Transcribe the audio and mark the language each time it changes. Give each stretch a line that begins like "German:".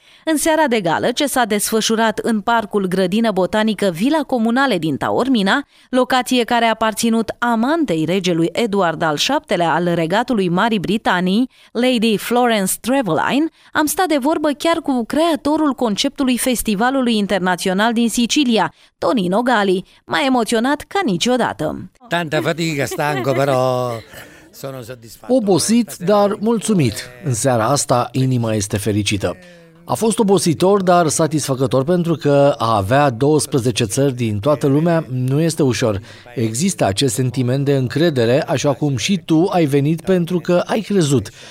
Romanian: În seara de gală, ce s-a desfășurat în parcul grădină botanică Vila Comunale din Taormina, locație care a aparținut amantei regelui Eduard al VII-lea al regatului Marii Britanii, Lady Florence Trevelyne, am stat de vorbă chiar cu creatorul conceptului Festivalului Internațional din Sicilia, Tonino Galli, mai emoționat ca niciodată.
Italian: Tanta fatica, stanco, però... sono soddisfatto.
Romanian: Obosit, dar mulțumit. În seara asta, inima este fericită. A fost obositor, dar satisfăcător, pentru că a avea 12 țări din toată lumea nu este ușor. Există acest sentiment de încredere, așa cum și tu ai venit pentru că ai crezut.